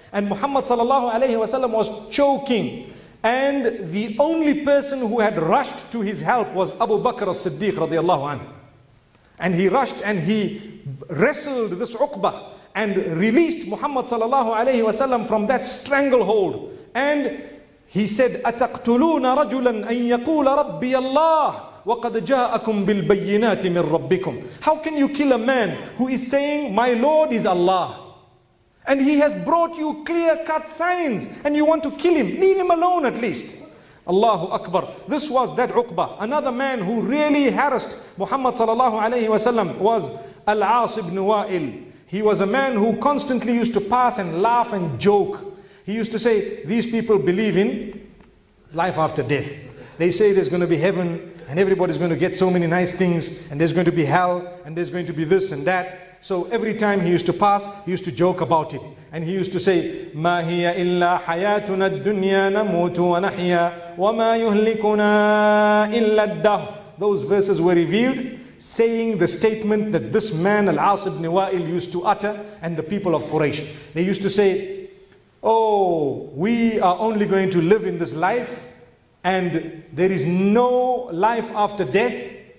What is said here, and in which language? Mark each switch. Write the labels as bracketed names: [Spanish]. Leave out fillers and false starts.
[English] And Muhammad sallallahu alayhi wa sallam was choking. And the only person who had rushed to his help was Abu Bakr as-Siddiq radiallahu anhu. And he rushed and he wrestled this Uqbah and released Muhammad sallallahu alayhi wa sallam from that stranglehold. And He said, [Arabic] أتقتلون رجلا أن يقول ربي الله وقد جاءكم بالبينات من ربكم. [English] How can you kill a man who is saying, my Lord is Allah? And he has brought you clear-cut signs and you want to kill him. Leave him alone at least. Allahu Akbar. This was that Uqba. Another man who really harassed Muhammad sallallahu alayhi wa sallam was Al-As ibn Wa'il. He was a man who constantly used to pass and laugh and joke. He used to say, these people believe in life after death. They say there's going to be heaven and everybody's going to get so many nice things and there's going to be hell and there's going to be this and that. So every time he used to pass, he used to joke about it. And he used to say, [Arabic] مَا هِيَ إِلَّا حَيَاتُنَا الدُّنْيَا نَمُوتُ وَنَحْيَا وَمَا يُهْلِكُنَا إِلَّا الدَّهُ. [English] Those verses were revealed, saying the statement that this man, Al-As ibn Wa'il, used to utter, and the people of Quraysh. They used to say, oh, we are only going to live in this life, and there is no life after death.